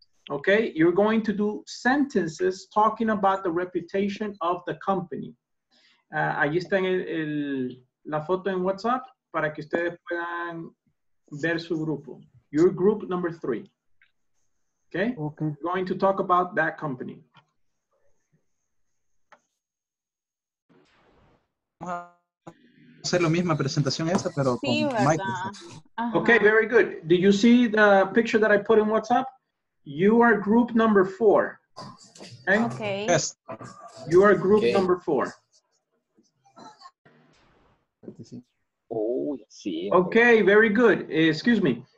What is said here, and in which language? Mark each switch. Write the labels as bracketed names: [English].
[English] Okay, you're going to do sentences talking about the reputation of the company. [Spanish] Allí está la foto en WhatsApp para que ustedes puedan ver su grupo. [English] Your group number 3. Okay? Okay. You're going to talk about that company. [Spanish] Hacer la misma presentación esa, pero con Michael. [English] Okay, very good. Did you see the picture that I put in WhatsApp? You are group number 4. Okay? Okay. Yes. You are group number 4. Oh, see. Okay, very good. Excuse me.